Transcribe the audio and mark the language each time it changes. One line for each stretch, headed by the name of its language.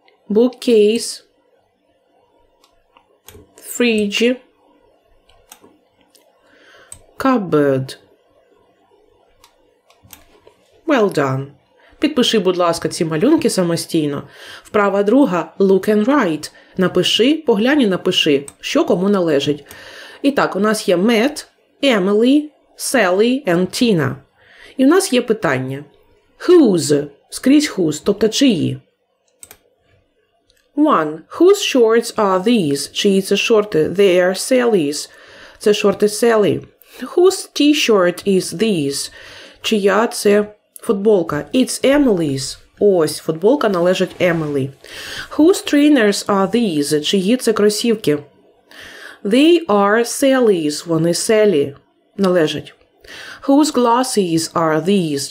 English: Bookcase. Fridge. Cupboard. Well done.
Ukrainian: Підпиши, будь ласка, ці малюнки самостійно. Вправа друга –
English: look and write.
Ukrainian: Напиши, поглянь і напиши, що кому належить. І так, у нас є Matt, Emily, Sally and Tina. І у нас є питання. Whose? Скрізь whose, тобто чиї?
English: One. Whose shorts are these?
Ukrainian: Чиї це шорти?
English: They are Sally's.
Ukrainian: Це шорти Sally.
English: Whose t-shirt is these?
Ukrainian: Чия це... Футболка.
English: It's Emily's.
Ukrainian: Ось, футболка належить Emily.
English: Whose trainers are these?
Ukrainian: Чиї це кросівки?
English: They are Sally's.
Ukrainian: Вони Sally. Належать.
English: Whose glasses are these?